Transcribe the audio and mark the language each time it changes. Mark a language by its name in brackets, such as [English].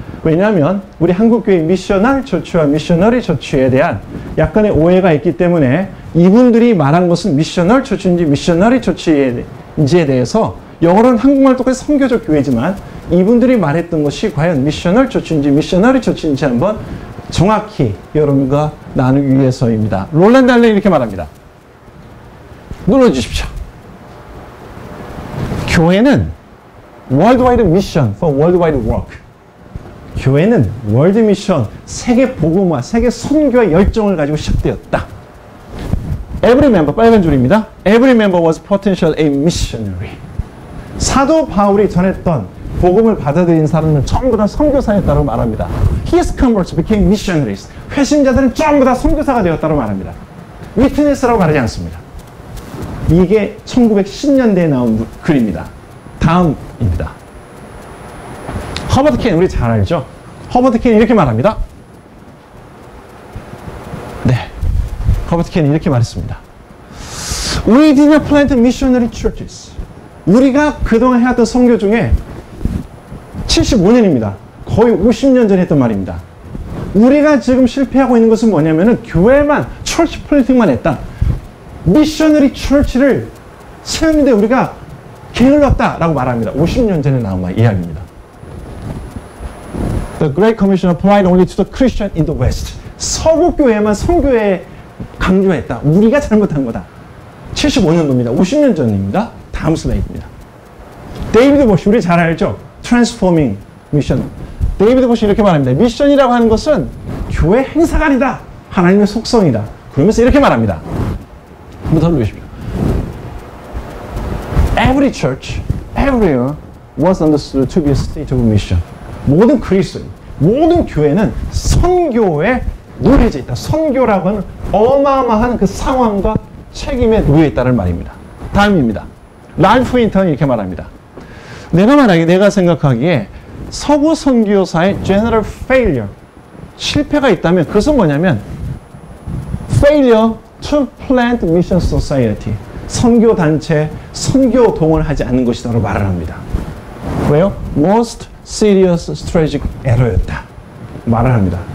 [Korean] 왜냐하면 우리 한국교회 미셔널 처치와 미셔너리 처치에 대한 약간의 오해가 있기 때문에 이분들이 말한 것은 미셔널 처치인지 미셔너리 처치인지에 대해서 영어로는 한국말 똑같이 선교적 교회지만 이분들이 말했던 것이 과연 미셔널 처치인지 미셔너리 처치인지 한번 정확히 여러분과 나누기 위해서입니다. 롤랜드 알렌 이렇게 말합니다. 눌러주십시오. 교회는 [English] worldwide mission for worldwide work. [Korean] 교회는 월드 미션, 세계 복음화, 세계 선교의 열정을 가지고 시작되었다. [English] Every member, [Korean] 빨간 줄입니다. [English] Every member was potential a missionary. [Korean] 사도 바울이 전했던 복음을 받아들인 사람은 전부 다 선교사였다고 말합니다. [English] His converts became missionaries. [Korean] 회신자들은 전부 다 선교사가 되었다고 말합니다. Witness라고 말하지 않습니다. 이게 1910년대에 나온 글입니다. 다음입니다. 허버드 켄, 우리 잘 알죠? 허버드 켄이 이렇게 말합니다. 네, 허버드 켄이 이렇게 말했습니다. [English] We did not plant missionary churches. [Korean] 우리가 그동안 해왔던 선교 중에 75년입니다. 거의 50년 전에 했던 말입니다. 우리가 지금 실패하고 있는 것은 뭐냐면은 교회만, church planting만 했다. Missionary church를 세우는데 우리가 게을렀다라고 말합니다. 50년 전에 나온 말, 이야기입니다. [English] The Great Commission applied only to the Christian in the West. [Korean] 서구 교회만 선교에 강조했다. 우리가 잘못한 거다. 75년도입니다. 50년 전입니다. 다음 슬라이드입니다. 데이비드 보시, 우리 잘 알죠? [English] Transforming Mission. [Korean] 데이비드 보시 이렇게 말합니다. 미션이라고 하는 것은 교회 행사가 아니다. 하나님의 속성이다. 그러면서 이렇게 말합니다. 한번 더 보십시오. [English] Every church, everywhere was understood to be a state of mission. [Korean] 모든 그리스도인, 모든 교회는 선교에 놓여져 있다. 선교라고 하는 어마어마한 그 상황과 책임에 놓여 있다는 말입니다. 다음입니다. 랄프 윈터는 이렇게 말합니다. 내가 말하기에, 내가 생각하기에 서구 선교사의 general failure, 실패가 있다면 그것은 뭐냐면 [English] failure to plant mission society, [Korean] 선교단체, 선교동원을 하지 않는 것이다 라고 말을 합니다. 왜요? [English] Most serious strategic error [Korean] 였다. 말을 합니다.